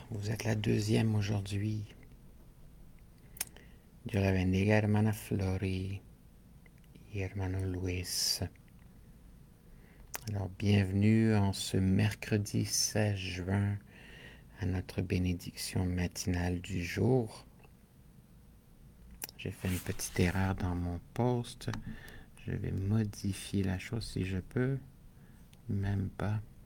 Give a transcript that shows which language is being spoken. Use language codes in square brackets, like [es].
[fr] Vous êtes la deuxième aujourd'hui. [es] Dios la bendiga, hermana Flori y hermano Luis. [fr] Alors, bienvenue en ce mercredi 16 juin à notre bénédiction matinale du jour. J'ai fait une petite erreur dans mon post. Je vais modifier la chose si je peux. Même pas.